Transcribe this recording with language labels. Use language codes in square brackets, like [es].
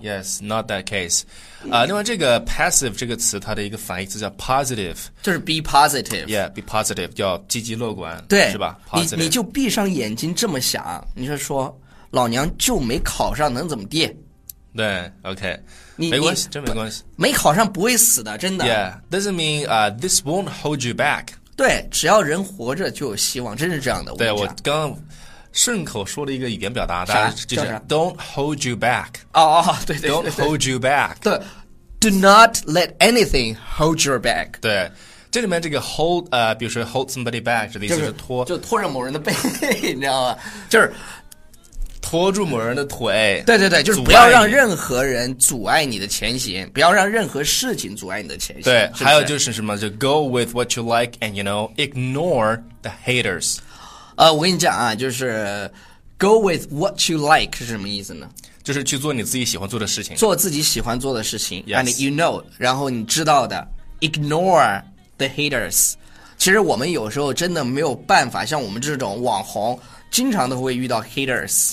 [en] ？ Yes, not that case. [zh] 另外这个 passive 这个词，它的一个反义词叫 positive, 就是 [en] be positive. Yeah, be positive, [zh] 叫积极乐观，对，是吧？Positive. 你就闭上眼睛这么想，你是说老娘就没考上，能怎么地？对 ，OK, 没关系，真没关系，没考上不会死的，真的。 [en] Yeah, doesn't mean this won't hold you back. [zh] 对，只要人活着就有希望，真是这样的。对，我刚刚。顺口说了一个语言表达，大家就是 [en] "Don't hold you back." [zh] 哦哦，对 [en] ，Don't hold you back. 对 ，Do not let anything hold you back. [zh] 对，这里面这个 hold 比如说 [en] hold somebody back [zh] 这个意思是拖，就拖着某人的背，你知道吗？就是拖住某人的腿。对对对，就是不要让任何人阻碍你的前行，不要让任何事情阻碍你的前行。对，是不是？还有就是什么，就 [en] go with what you like and you know ignore the haters. [zh] 我跟你讲啊，就是 [en] go with what you like [zh] 是什么意思呢？就是去做你自己喜欢做的事情，做自己喜欢做的事情。 [en] Yes. And you know, [zh] 然后你知道的 [en] ignore the haters. [zh] 其实我们有时候真的没有办法，像我们这种网红经常都会遇到 haters。